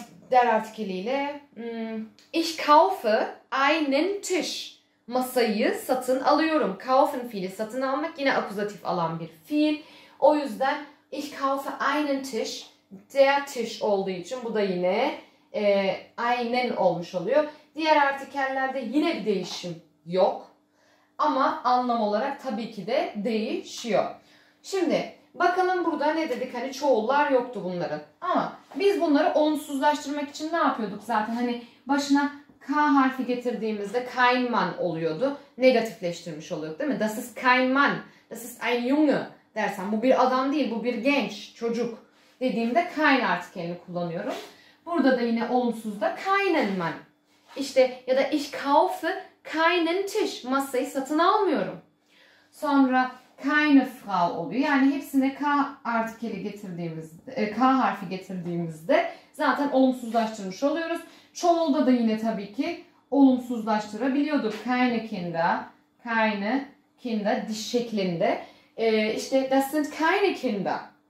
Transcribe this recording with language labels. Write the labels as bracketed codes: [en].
[de] Der artikeliyle ich kaufe einen Tisch. [tr] Masayı satın alıyorum. Kaufen fiili satın almak yine akuzatif alan bir fiil. O yüzden [de] ich kaufe einen Tisch. [tr] Der Tisch olduğu için bu da yine einen olmuş oluyor. Diğer artikellerde yine bir değişim yok. Ama anlam olarak tabii ki de değişiyor. Şimdi bakalım burada ne dedik? Hani çoğullar yoktu bunların. Ama biz bunları olumsuzlaştırmak için ne yapıyorduk zaten? Hani başına K harfi getirdiğimizde kein Mann oluyordu. Negatifleştirmiş oluyorduk değil mi? [de] Das ist kein Mann. Das ist ein Junge [tr] dersen. Bu bir adam değil, bu bir genç, çocuk dediğimde kein artikelini kullanıyorum. Burada da yine olumsuzda keinen Mann. İşte ya da [de] ich kaufe keinen Tisch. [tr] Masayı satın almıyorum. Sonra keine Frau oluyor. Yani hepsine K artikeli getirdiğimizde, K harfi getirdiğimizde zaten olumsuzlaştırmış oluyoruz. Çoğulda da yine tabii ki olumsuzlaştırabiliyorduk. [de] Keine Kinder, keine Kinder [tr] diş şeklinde. İşte [de] das sind keine Kinder.